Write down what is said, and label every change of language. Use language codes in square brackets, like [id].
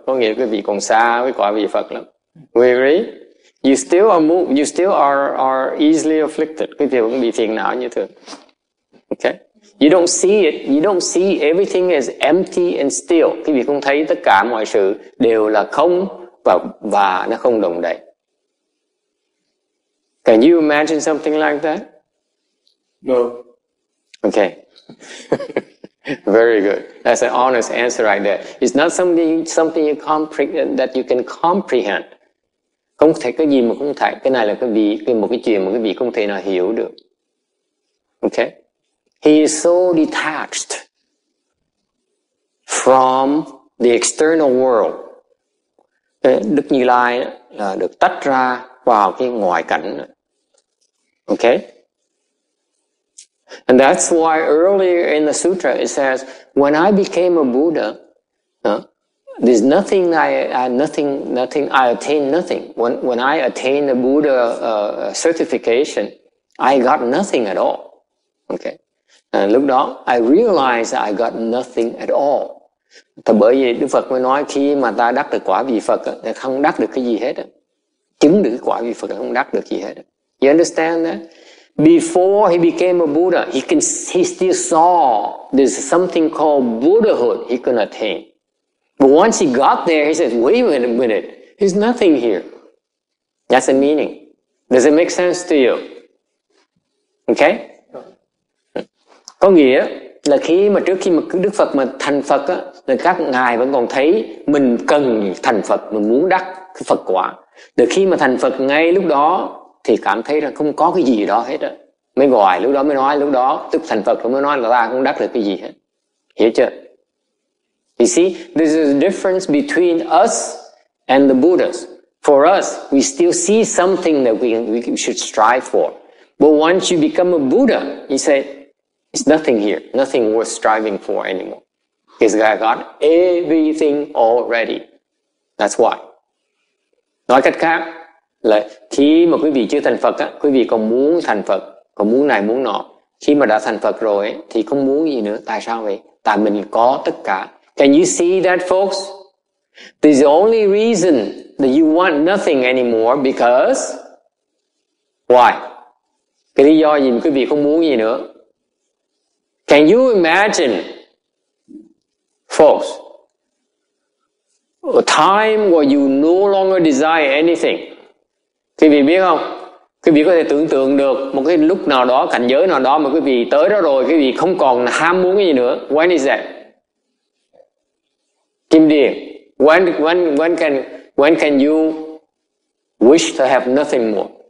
[vi] Có nghĩa quý vị còn xa với quả vị Phật lắm. [en] We agree? You still are easily afflicted. [vi] Quý vị vẫn bị phiền não như thường. [en] Okay. You don't see it. You don't see everything as empty and still. [vi] Quý vị không thấy tất cả mọi sự đều là không và nó không đồng đầy. [en] Can you imagine something like that? No. Okay. Very good. That's an honest answer right there. It's not something you comprehend, that you can comprehend. [vi] Không thể cái gì mà không thể. Cái này là một cái chuyện mà quý vị không thể nào hiểu được. [en] Okay. He is so detached from the external world. [vi] Đức Như Lai là được tách ra vào cái ngoại cảnh. [en] Okay? And that's why earlier in the sutra it says, when I became a Buddha, there's nothing I attained nothing. When I attained the Buddha certification, I got nothing at all. Okay? And [vi] lúc đó, [en] I realized that I got nothing at all. [vi] Thì bởi vì Đức Phật mới nói khi mà ta đắc được quả vị Phật, ta không đắc được cái gì hết. Chứng được quả vị Phật, không đắc được gì hết. [en] You understand that? Before he became a Buddha, he still saw there's something called Buddhahood he could attain. But once he got there, he says, wait a minute, there's nothing here. That's the meaning. Does it make sense to you? Okay? [vi] Có nghĩa là khi mà trước khi mà Đức Phật mà thành Phật á, là các ngài vẫn còn thấy mình cần thành Phật, mình muốn đắc Phật quả. Được khi mà thành Phật ngay lúc đó, thì cảm thấy là không có cái gì đó hết á. Mới gọi, lúc đó mới nói, lúc đó tức thành Phật mới nói là ta không đắc được cái gì hết. Hiểu chưa? [en] You see, this is the difference between us and the Buddhas. For us, we still see something that we should strive for. But once you become a Buddha, you say, it's nothing here, nothing worth striving for anymore. Because I got everything already. That's why. [vi] Nói cách khác, là khi mà quý vị chưa thành Phật á, quý vị còn muốn thành Phật, còn muốn này muốn nọ. Khi mà đã thành Phật rồi ấy, thì không muốn gì nữa. Tại sao vậy? Tại mình có tất cả. [en] Can you see that, folks? This is the only reason that you want nothing anymore because why? [vi] Cái lý do gì quý vị không muốn gì nữa? [en] Can you imagine, folks, a time where you no longer desire anything? [vi] Quý vị biết không? Quý vị có thể tưởng tượng được một cái lúc nào đó, cảnh giới nào đó mà quý vị tới đó rồi, quý vị không còn ham muốn gì nữa. [en] When is that? Kim Điền, when can you wish to have nothing more?